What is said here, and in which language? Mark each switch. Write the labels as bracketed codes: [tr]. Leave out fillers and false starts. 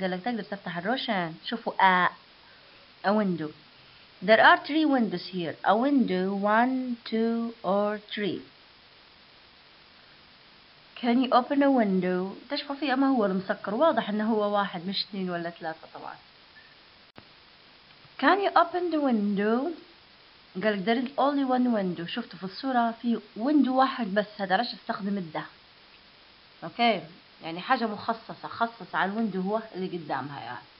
[ar] قالك تقدر تفتح الروشن. شوفوا [en] a window. There are three windows here. A window one two or three. Can you open a window? [ar] تشوفوا فيه اما هو المسكر، واضح انه هو واحد مش اثنين ولا ثلاثة طبعا. [en] Can you open the window؟ [ar] قالك [en] there is only one window. [ar] شفتوا في الصورة في window واحد بس، هذا علاش استخدم الده. اوكي يعني حاجة مخصصة، خصص على الويندو هو اللي قدامها يعني.